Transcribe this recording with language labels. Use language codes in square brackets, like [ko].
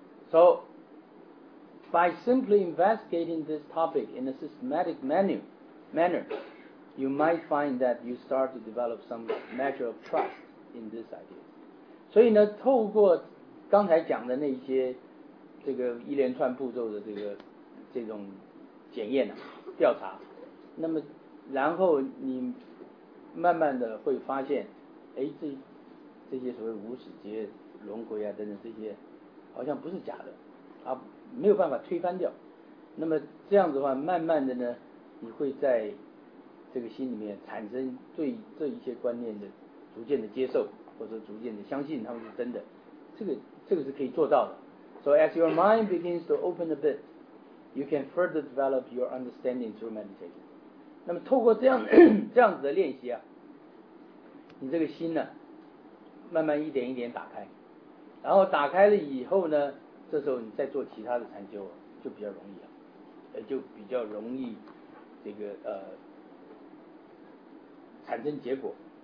[en] So by simply investigating this topic in a systematic manner, you might find that you start to develop some measure of trust in this idea. [zh] 所以呢，透过刚才讲的那些这个一连串步骤的这种检验、调查，那么然后你慢慢的会发现，哎，这些所谓无始劫轮回啊等等，这些好像不是假的啊，没有办法推翻掉。那么这样子的话，慢慢的呢，你会在这个心里面产生对这一些观念的逐渐的接受，或者逐渐的相信他们是真的，这个是可以做到的。 [en] So as your mind begins to open a bit, you can further develop your understanding through meditation. [zh] 那么透过这样子的练习啊，你这个心呢，慢慢一点一点打开，然后打开了以后呢，这时候你再做其他的禅修就比较容易了、就比较容易这个产生结果。